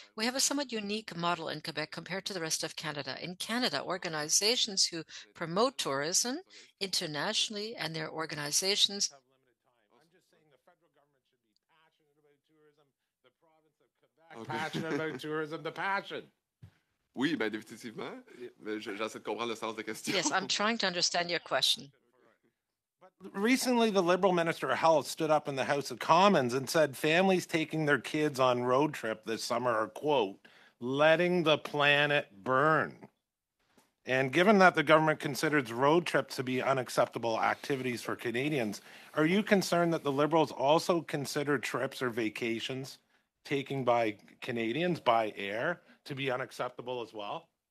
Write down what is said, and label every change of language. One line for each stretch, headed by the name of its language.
English: We have a somewhat unique model in Quebec compared to the rest of Canada. In Canada, organizations who promote tourism internationally and their organizations have limited time. I'm just saying the federal government should be passionate about tourism, the province of Quebec, okay. Passionate about tourism, the passion.
French: Oui, bien, définitivement. Mais j'essaie de comprendre le sens de question.
English: Yes, I'm trying to understand your question. Recently, the Liberal Minister of Health stood up in the House of Commons and said families taking their kids on road trip this summer are, quote, letting the planet burn. And given that the government considers road trips to be unacceptable activities for Canadians, are you concerned that the Liberals also consider trips or vacations taken by Canadians by air to be unacceptable as well?